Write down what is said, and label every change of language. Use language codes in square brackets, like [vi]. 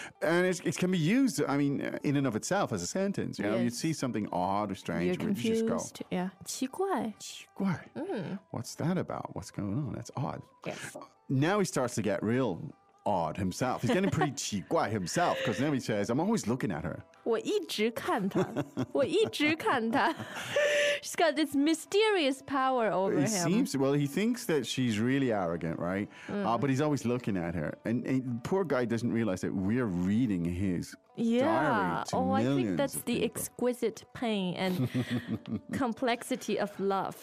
[en] And it can be used, I mean, in and of itself as a sentence. You know, you see something odd or strange, you're confused. You just go, 奇怪. 奇怪.What's that about? What's going on? That's odd. Yes. Now he starts to get real odd himself. He's getting pretty 奇怪 himself because now he says, I'm always looking at her. [zh] 我一直看她. 我一直看她. [en] She's got this mysterious power over it him. It seems, well, he thinks that she's really arrogant, right? Mm. But he's always looking at her. And poor guy doesn't realize that we're reading his diary to millions. I think that's the exquisite pain and complexity of love.